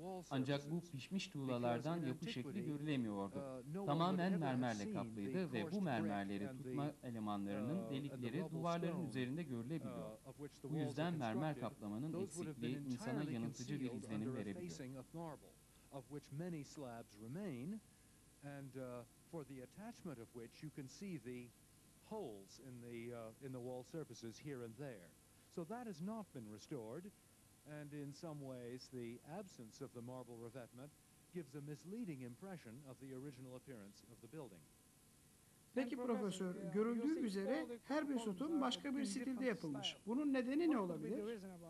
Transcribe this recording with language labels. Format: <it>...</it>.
<tr>Ancak bu pişmiş tuğlalardan yapı şekli görülemiyordu. Tamamen mermerle kaplıydı ve bu mermerleri tutma elemanlarının delikleri duvarların üzerinde görülebiliyor. Bu yüzden mermer kaplamanın eksikliği insana yanıltıcı bir izlenim verebiliyor.</tr> <en>of which many slabs remain, and for the attachment of which you can see the holes in the wall surfaces here and there. So that has not been restored, and in some ways the absence of the marble revetment gives a misleading impression of the original appearance of the building.</en> <tr>Peki profesör, görüldüğü üzere her bir sütun başka bir stilde yapılmış. Bunun nedeni ne olabilir?</tr>